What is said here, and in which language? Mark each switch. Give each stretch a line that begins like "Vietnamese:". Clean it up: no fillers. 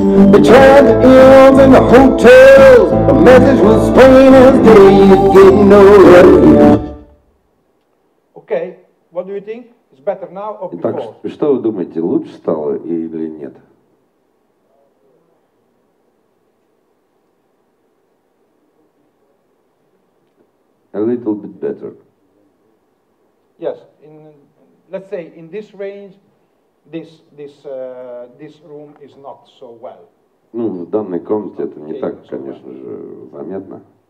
English: They tried the inns and the hotels. The message was plain as day: you get no rest. Okay, what do you think? It's better now or before?
Russian: Итак, что вы думаете, лучше стало или нет?
English: a little bit better. Yes, in, let's say in this range, this room is not so well.
Russian: Ну, в данной комнате это не так, конечно же, заметно.